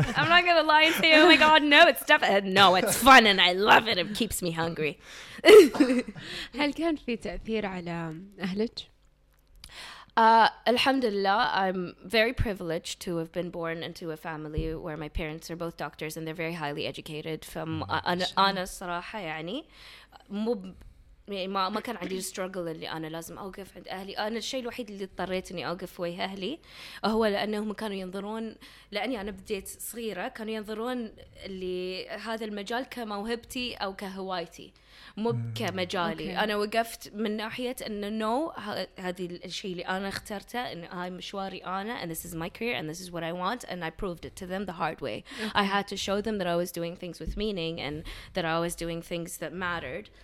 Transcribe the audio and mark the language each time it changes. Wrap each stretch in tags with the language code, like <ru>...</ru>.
<en>I'm not going to lie to you. Oh my God, no, it's definitely. No, it's fun and I love it. It keeps me hungry.</en> <ar>هل كان في تأثير على أهلك؟</ar> <en>Alhamdulillah, I'm very privileged to have been born into a family where my parents are both doctors and they're very highly educated.</en> <ar>From أنا صراحة يعني مو ما كان عندي struggle اللي أنا لازم أوقف عند أهلي. أنا الشيء الوحيد اللي اضطريت إني أوقف ويا أهلي هو لأنهم كانوا ينظرون, لأني أنا بديت صغيرة كانوا ينظرون لهذا المجال كموهبتي أو كهوايتي مو كمجالي.</ar> <en>Okay.</en> <ar>أنا وقفت من ناحية إنه</ar> <en>no,</en> <ar>هذه الشيء اللي أنا اخترته إن هاي مشواري أنا</ar> <en>and this is my career and this is what I want and I proved it to them the hard way. Okay. I had to show them that I was doing things with meaning and that I was doing things that mattered.</en>